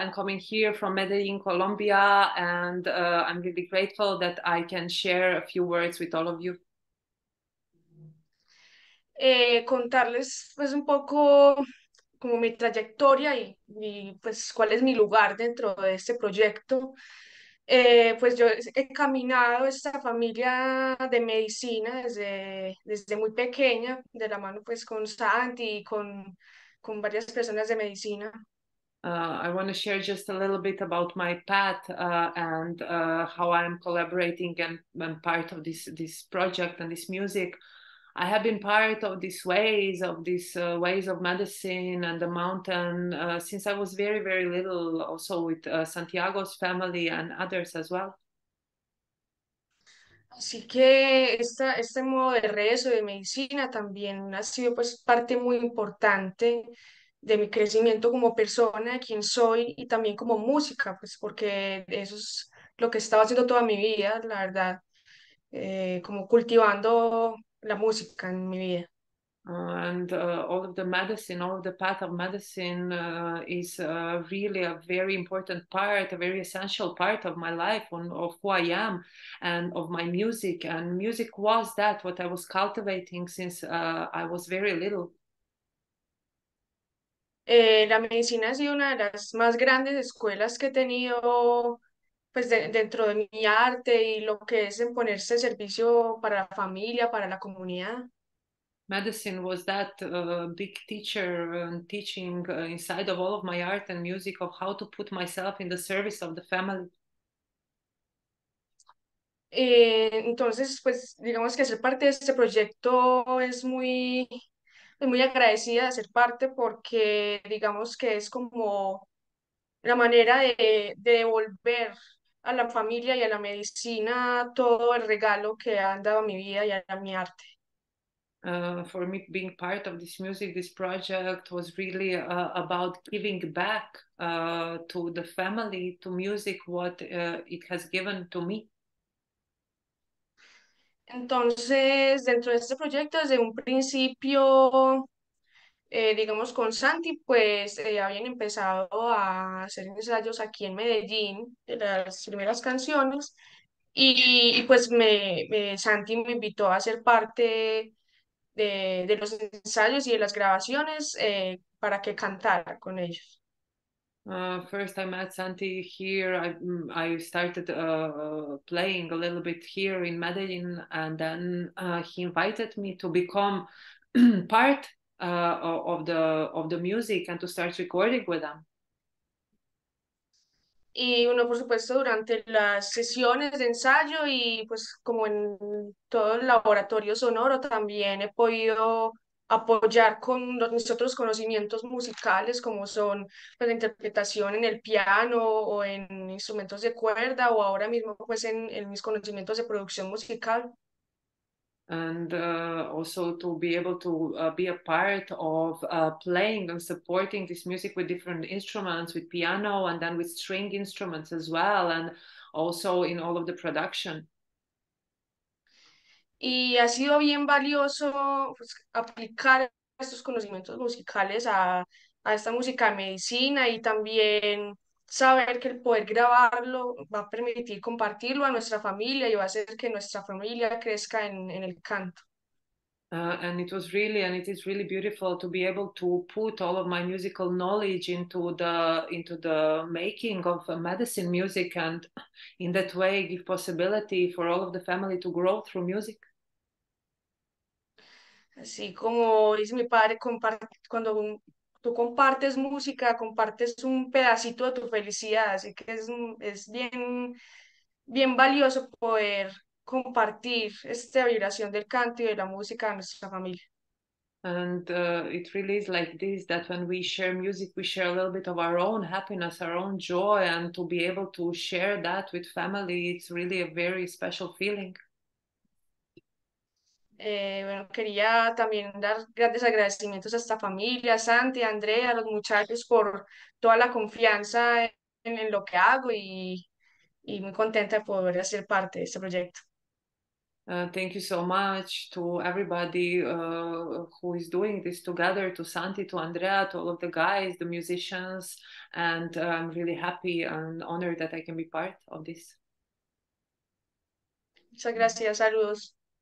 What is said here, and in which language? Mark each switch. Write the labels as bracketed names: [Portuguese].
[English] I'm coming here from Medellín, Colombia, and I'm really grateful that I can share a few words with all of you. [Spanish] Contarles pues un poco como mi trayectoria y pues cuál es mi lugar dentro de este proyecto. Pues yo he caminado esta familia de medicina desde muy pequeña, de la mano pues con Santi y con varias personas de medicina. [English] I want to share just a little bit about my path and how I'm collaborating and part of this project and this music. I have been part of these ways of medicine and the mountain since I was very, very little, also with Santiago's family and others as well. [Spanish] Así que este modo de rezo de medicina también ha sido pues parte muy importante de mi crecimiento como persona, de quien soy y también como música, pues porque eso es lo que he estado haciendo toda mi vida, la verdad, como cultivando la música en mi vida. [English] And all of the medicine, all of the path of medicine is really a very important part, a very essential part of my life, of who I am and of my music. And music was that what I was cultivating since I was very little. [Spanish] La medicina ha sido una de las más grandes escuelas que he tenido pues dentro de mi arte y lo que es en ponerse servicio para la familia, para la comunidad. [English] Medicine was that big teacher and teaching inside of all of my art and music of how to put myself in the service of the family. [Spanish] Entonces, pues digamos que ser parte de este proyecto es muy, muy agradecida de ser parte porque digamos que es como la manera de devolver a la familia y a la medicina todo el regalo que han dado a mi vida y a mi arte. [English] For me, being part of this music, this project was really about giving back to the family, to music, what it has given to me. [Spanish] Entonces, dentro de este proyecto, desde un principio, digamos con Santi, pues habían empezado a hacer ensayos aquí en Medellín, de las primeras canciones, y pues Santi me invitó a ser parte de los ensayos y de las grabaciones para que cantara con ellos. [English] First I met Santi here, I started playing a little bit here in Medellín, and then he invited me to become part of the music and to start recording with them. [Spanish] Y uno, por supuesto, durante las sesiones de ensayo y pues como en todo el laboratorio sonoro también he podido apoyar con mis otros conocimientos musicales como son pues, la interpretación en el piano o en instrumentos de cuerda o ahora mismo pues en mis conocimientos de producción musical. [English] And also to be able to be a part of playing and supporting this music with different instruments, with piano and then with string instruments as well, and also in all of the production. [Spanish] Y ha sido bien valioso pues, aplicar estos conocimientos musicales a esta música de medicina y también saber que el poder grabarlo va a permitir compartirlo a nuestra familia y va a hacer que nuestra familia crezca en el canto. [English] And it was really, and it is really beautiful to be able to put all of my musical knowledge into the making of medicine music, and in that way give possibility for all of the family to grow through music. [Spanish] Así como dice mi padre, cuando tú compartes música, compartes un pedacito de tu felicidad, así que es bien, bien valioso poder compartir esta vibración del canto y de la música a nuestra familia. [English] And it really is like this, that when we share music, we share a little bit of our own happiness, our own joy, and to be able to share that with family, it's really a very special feeling. [Spanish] Bueno, quería también dar grandes agradecimientos a esta familia, a Santi, a Andrea, a los muchachos por toda la confianza en lo que hago y muy contenta de poder hacer parte de este proyecto. [English] Thank you so much to everybody who is doing this together, to Santi, to Andrea, to all of the guys, the musicians, and I'm really happy and honored that I can be part of this. [Spanish] Muchas gracias, saludos.